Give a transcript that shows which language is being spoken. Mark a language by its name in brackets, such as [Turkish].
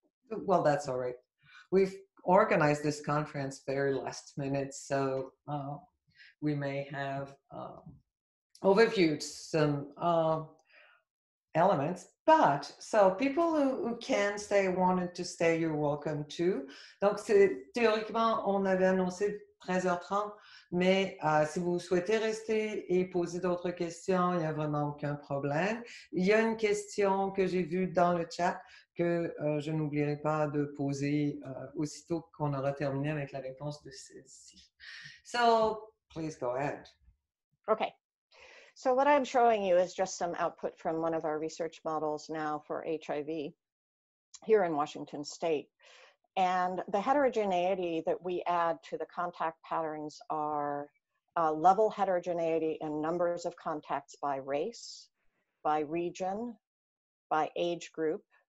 [English] Well, that's all right. We've organized this conference very last minute, so we may have overviewed some elements. But so people who can stay, wanted to stay, you're welcome to. [French] Donc, c'est, théoriquement, on avait annoncé 13h30, mais si vous souhaitez rester et poser d'autres questions, il n'y a vraiment aucun problème. Il y a une question que j'ai vue dans le chat que je n'oublierai pas de poser aussitôt qu'on aura terminé avec la réponse de celle-ci. [English] So, please go ahead. Okay. So what I'm showing you is just some output from one of our research models now for HIV here in Washington State. And the heterogeneity that we add to the contact patterns are level heterogeneity in numbers of contacts by race, by region, by age group.